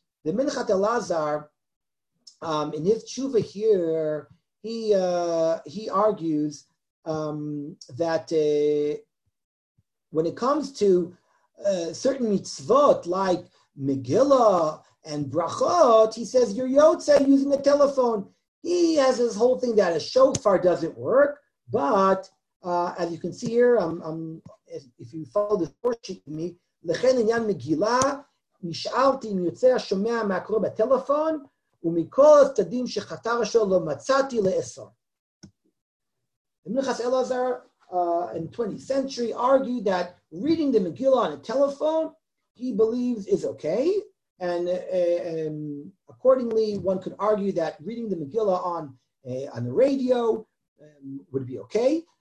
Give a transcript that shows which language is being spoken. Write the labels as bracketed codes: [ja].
[en] The Minchat Elazar, in his tshuva here, he argues that when it comes to certain mitzvot like Megillah and Brachot, he says you're yotzei using the telephone. He has this whole thing that a shofar doesn't work. But as you can see here, if you follow the course with me, [he] lechen inyan Megillah. נשארתי עם יוצא השומע מהקורא בטלפון, ומכל הצדדים שחתר השואל לא מצאתי לעשור. [en] Minchas Elazar in 20th century argued that reading the Megillah on a telephone, he believes is okay, and accordingly one could argue that reading the Megillah on the radio would be okay.